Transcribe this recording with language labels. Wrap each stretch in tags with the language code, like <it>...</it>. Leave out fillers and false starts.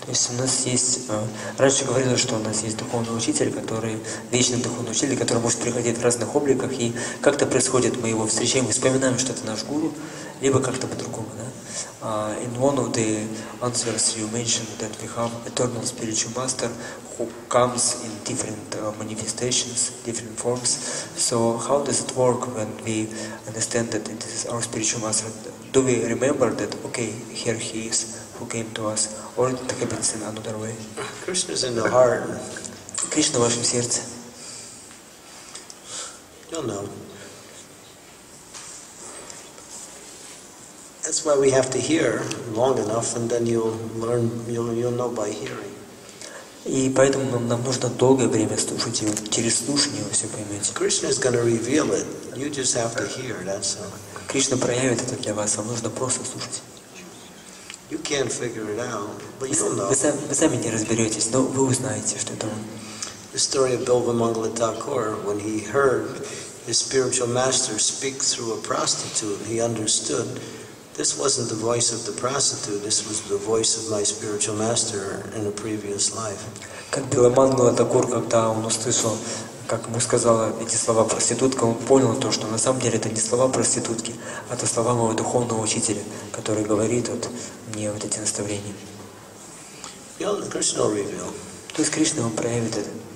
<ru>У нас есть, раньше говорилось, что у нас есть духовный учитель, который, вечный духовный учитель, который может приходить в разных обликах, и как-то происходит, мы его встречаем, мы вспоминаем, что это наш гуру, либо как-то по-другому, да?</ru> <en>In one of the answers you mentioned that we have eternal spiritual master who comes in different manifestations, different forms. So how does it work when we understand that it is our spiritual master? Do we remember that, okay, here he is, who came to us, or it happens in another way? Krishna is in the heart.</en> <ru>Krishna в вашем сердце.</ru> <en>You'll know. That's why we have to hear long enough, and then you'll learn. You'll know by hearing.</en> <ru>И поэтому нам нужно долгое время слушать, и через слушание вы все поймете.</ru> <en>Krishna is going to reveal it. You just have to hear. That's all.</en> <ru>Кришна проявит это для вас. Вам нужно просто слушать.</ru> <en>You can't figure it out, but you'll know. Вы сами не разберетесь, но вы узнаете, что это он. The story of Bilva Mangala Thakur, when he heard his spiritual master speak through a prostitute, he understood this wasn't the voice of the prostitute, this was the voice of my spiritual master in a previous life.</en> <ru>Как Беломан Гладокур, когда он услышал, как ему сказала эти слова проститутка, он понял то, что на самом деле это не слова проститутки, а это слова моего духовного учителя, который говорит вот мне вот эти наставления.</ru> <en>Krishna revealed.</en> <ru>То есть Кришна вам проявит это.</ru>